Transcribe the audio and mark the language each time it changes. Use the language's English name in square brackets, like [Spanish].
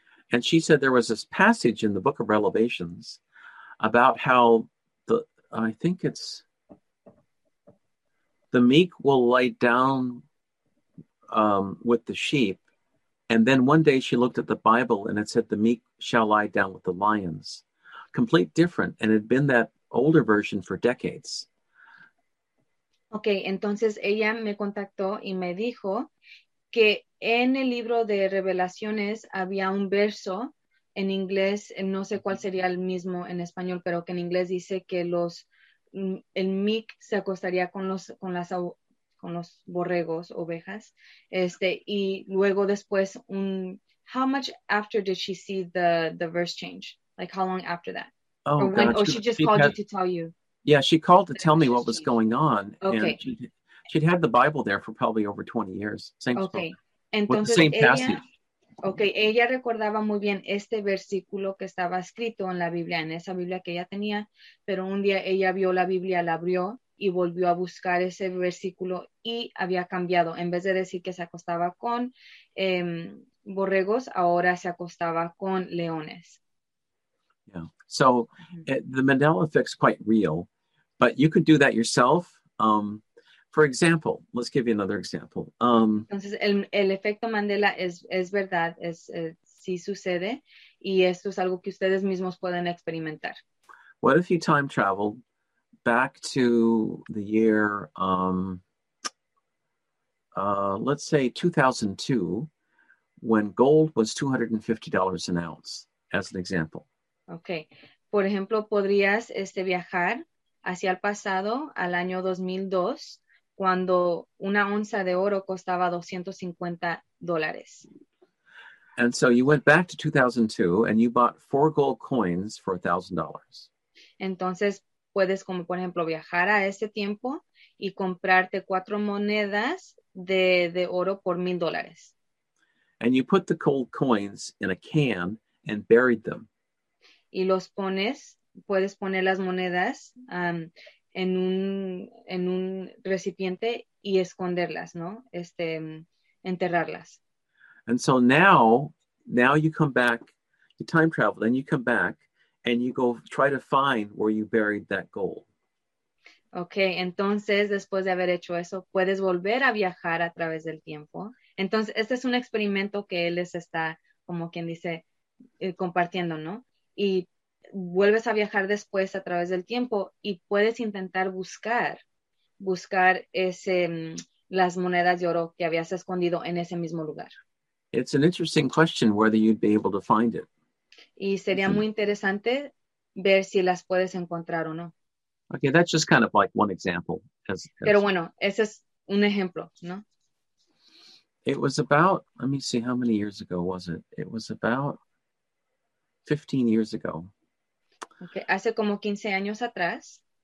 [English] And she said there was this passage in the book of Revelations about how the meek will lie down with the sheep. And then one day she looked at the Bible and it said the meek shall lie down with the lions. Complete different. And it had been that older version for decades. [Spanish] Okay, entonces ella me contactó y me dijo que en el libro de Revelaciones había un verso en inglés, no sé cuál sería el mismo en español, pero que en inglés dice que el meek se acostaría con los borregos, ovejas, y luego después [English] how much after did she see the verse change? Like how long after that? Oh, or when, or she just called you to tell you? Yeah, she called to tell me what was going on. Okay. And she'd had the Bible there for probably over 20 years. Same spot. [Spanish] Okay. Entonces, [English] same passage. [Spanish] Okay, ella recordaba muy bien este versículo que estaba escrito en la Biblia, en esa Biblia que ella tenía, pero un día ella vio la Biblia, la abrió y volvió a buscar ese versículo y había cambiado. En vez de decir que se acostaba con borregos, ahora se acostaba con leones. Yeah. [English] So the Mandela effect is quite real, but you could do that yourself. For example, let's give you another example. [Spanish] Entonces, el efecto Mandela es verdad, sí sucede, y esto es algo que ustedes mismos pueden experimentar. [English] What if you time traveled back to the year, let's say 2002, when gold was $250 an ounce, as an example? Okay. [Spanish] Por ejemplo, podrías viajar hacia el pasado, al año 2002, cuando una onza de oro costaba $250. [English] And so you went back to 2002 and you bought 4 gold coins for $1,000. [Spanish] Entonces, puedes, como por ejemplo, viajar a ese tiempo y comprarte 4 monedas de oro por $1,000. [English] And you put the gold coins in a can and buried them. [Spanish] Y los pones, puedes poner las monedas en un recipiente y esconderlas, ¿no? Enterrarlas. [English] And so now you come back, you time travel, then you come back and you go try to find where you buried that gold. [Spanish] Okay, entonces después de haber hecho eso, puedes volver a viajar a través del tiempo. Entonces, este es un experimento que él les está, como quien dice, compartiendo, ¿no? Y vuelves a viajar después a través del tiempo y puedes intentar buscar las monedas de oro que habías escondido en ese mismo lugar. [English] It's an interesting question whether you'd be able to find it. [Spanish] Y sería muy interesante ver si las puedes encontrar o no. [English] Okay, that's just kind of like one example. [Spanish] Pero bueno, ese es un ejemplo, ¿no? [English] It was about, let me see, how many years ago was it? It was about 15 years ago. [Spanish] Okay. Hace como 15 años atrás.